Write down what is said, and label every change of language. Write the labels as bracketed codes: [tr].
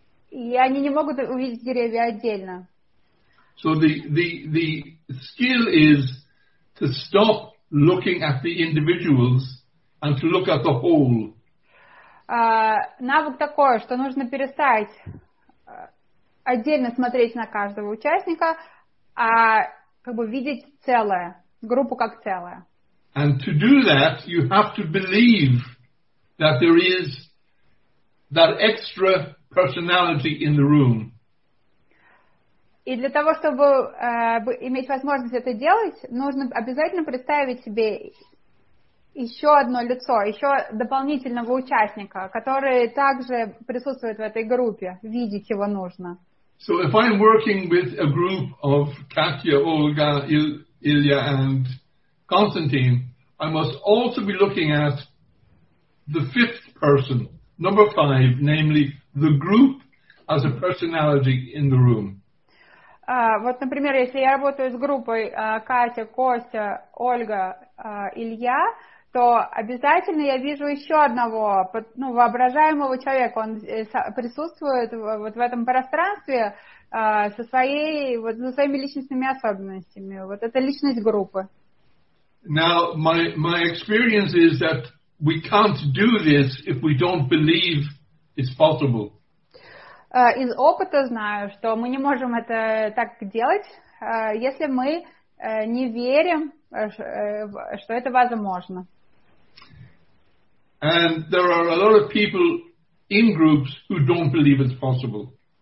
[ru] И они не могут увидеть деревья отдельно. [en] So the skill is to stop looking at the individuals and to look at the whole. [ru] Навык такой, что нужно перестать отдельно смотреть на каждого участника, а как бы видеть целое, группу как целое. [en] And to do that, you have to believe that there is that extra personality in the room. [ru] И для того, чтобы иметь возможность это делать, нужно обязательно представить себе еще одно лицо, еще дополнительного участника, который также присутствует в этой группе. Видеть его нужно. [en] So if I'm working with a group of Katya, Olga, Ilya and Konstantin, I must also be looking at the fifth person, number five, namely the group as a personality in the room. [ru] Вот, например, если я работаю с группой Катя, Костя, Ольга, Илья, то обязательно я вижу еще одного, ну, воображаемого человека. Он присутствует вот в этом пространстве со своими личностными особенностями. Вот это личность группы. [en] Now, my experience is that we can't do this if we don't believe it's possible. [ru] Из опыта знаю, что мы не можем это так делать, если мы не верим, что это возможно. [en] And there are a lot of people in groups who don't believe it's possible.